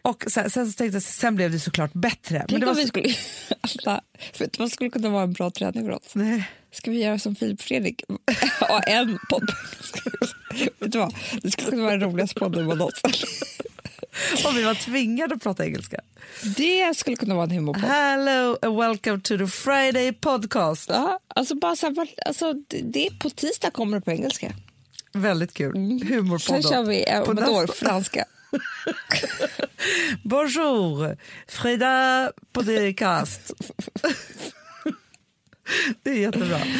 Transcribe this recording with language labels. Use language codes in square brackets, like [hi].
[sv] Och så här, sen så tänkte jag, sen blev det såklart bättre. Tänk men det om var, vi skulle, alltså, för det skulle kunna vara en bra träning för oss. Nej. Ska vi göra som Filip Fredrik? Och en podd. Vet du vad? Det skulle kunna vara den roligaste podden med oss. Om vi var tvingade att prata engelska. Det skulle kunna vara en humorpodd. [en] Hello and welcome to the Friday podcast. [sv] Ja, alltså bara så här, alltså det är på tisdag kommer det på engelska. Väldigt kul. Humorpodd. Sen kör vi om ett år franska. [fr] Bonjour. [sv] Fredag podcast. Det är jättebra.